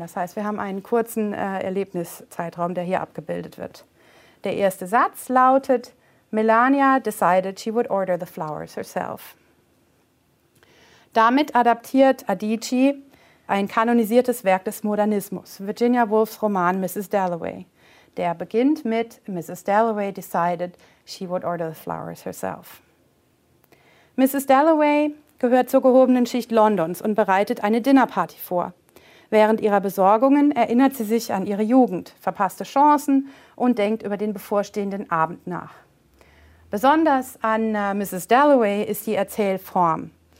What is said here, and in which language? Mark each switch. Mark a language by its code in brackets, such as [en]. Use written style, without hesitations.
[de] Das heißt, wir haben einen kurzen Erlebniszeitraum, der hier abgebildet wird. Der erste Satz lautet: [en] Melania decided she would order the flowers herself. [de] Damit adaptiert Adichie ein kanonisiertes Werk des Modernismus, Virginia Woolf's Roman Mrs. Dalloway. Der beginnt mit Mrs. [en] Dalloway decided she would order the flowers herself. [de] Mrs. Dalloway gehört zur gehobenen Schicht Londons und bereitet eine Dinnerparty vor. Während ihrer Besorgungen erinnert sie sich an ihre Jugend, verpasste Chancen und denkt über den bevorstehenden Abend nach. Besonders an Mrs. Dalloway ist die Erzählform.